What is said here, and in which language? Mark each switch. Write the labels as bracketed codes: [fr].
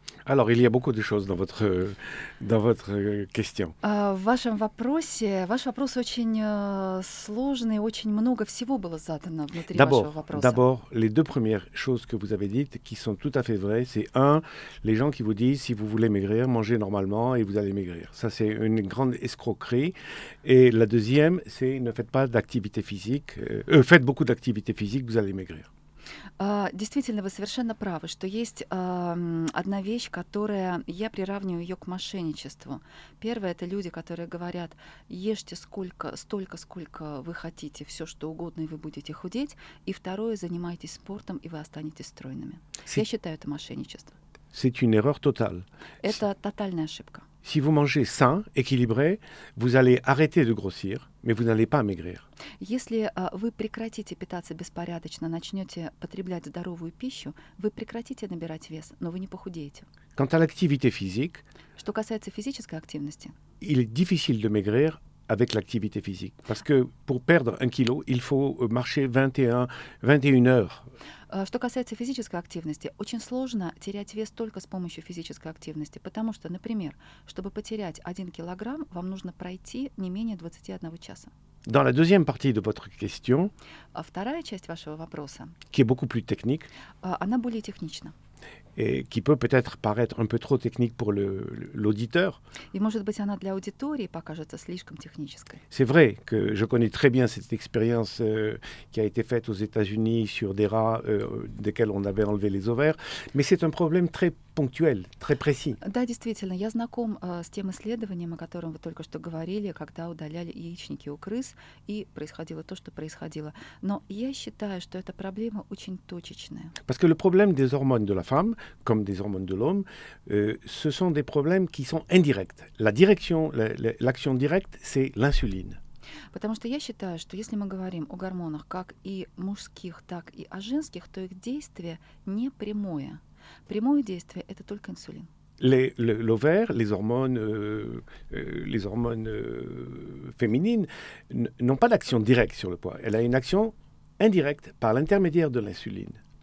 [fr] Alors, il y a beaucoup de choses dans votre question. [ru] В вашем вопросе, ваш вопрос очень сложный, очень много всего было задано внутри [fr] d'abord, [ru] вашего вопроса. [fr] D'abord, les deux premières choses que vous avez dites, qui sont tout à fait vraies, c'est un, les gens qui vous disent, si vous voulez maigrir, mangez normalement et vous allez maigrir. Ça, c'est une grande escroquerie. Et la deuxième, c'est ne faites pas d'activité physique, faites beaucoup d'activité physique, vous allez maigrir. [ru] Действительно, вы совершенно правы, что есть одна вещь, которая я приравниваю ее к мошенничеству. Первое — это люди, которые говорят: ешьте столько, сколько вы хотите, все что угодно, и вы будете худеть. И второе — занимайтесь спортом, и вы останетесь стройными. Я считаю это мошенничество. [fr] C'est une erreur totale. [ru] Это тотальная ошибка. [fr] Si vous mangez sain, équilibré, vous allez arrêter de grossir, mais vous n'allez pas maigrir. [ru] Если вы прекратите питаться беспорядочно, начнете потреблять здоровую пищу, вы прекратите набирать вес, но вы не похудеете. [fr] Quant à l'activité physique, [ru] что касается физической активности, [fr] il est difficile de maigrir avec l'activité physique, parce que pour perdre un kilo, il faut marcher 21 heures. [ru] Что касается физической активности, очень сложно терять вес только с помощью физической активности, потому что, например, чтобы потерять 1 килограмм, вам нужно пройти не менее 21 часа. [fr] Dans la deuxième partie de votre question, [ru] вторая часть вашего вопроса, [fr] qui est beaucoup plus technique, [ru] она более технична, [fr] et qui peut peut-être paraître un peu trop technique pour l'auditeur. [ru] И, может быть, она для аудитории покажется слишком технической. [fr] C'est vrai que je connais très bien cette expérience qui a été faite aux États-Unis sur des rats desquels on avait enlevé les ovaires, mais c'est un problème très ponctuel, très précis. [ru] Да, действительно, я знаком с тем исследованием, о котором вы только что говорили, когда удаляли яичники у крыс, и происходило то, что происходило. Но я считаю, что эта проблема очень точечная. [fr] Parce que le problème des hormones de la femme, comme des hormones de l'homme, ce sont des problèmes qui sont indirects. La direction, l'action directe, c'est l'insuline. [ru] Потому что я считаю, что если мы говорим о гормонах как и мужских, так и о женских, то их действие не прямое. Прямое действие — это только инсулин. [fr] L'ovaire, les hormones féminines n'ont pas d'action directe sur le poids. Elle a une action indirecte par l'intermédiaire de l'insuline.